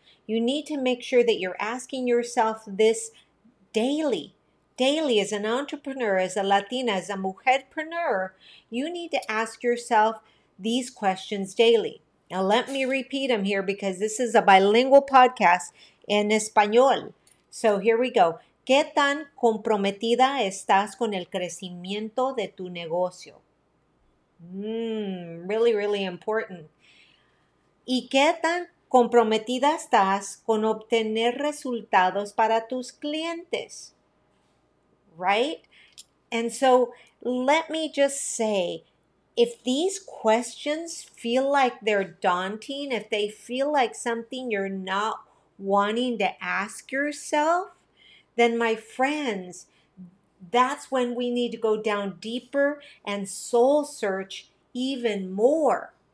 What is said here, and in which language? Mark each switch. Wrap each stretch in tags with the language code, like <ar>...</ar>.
<en>You need to make sure that you're asking yourself this daily. Daily, as an entrepreneur, as a Latina, as a mujerpreneur, you need to ask yourself these questions daily. Now, let me repeat them here because this is a bilingual podcast in Espanol. So here we go.</en> <es>¿Qué tan comprometida estás con el crecimiento de tu negocio?</es> <en>Really, really important.</en> <es>¿Y qué tan comprometida estás con obtener resultados para tus clientes?</es> <en>Right? And so, let me just say, if these questions feel like they're daunting, if they feel like something you're not wanting to ask yourself, then my friends, that's when we need to go down deeper and soul search even more.</en>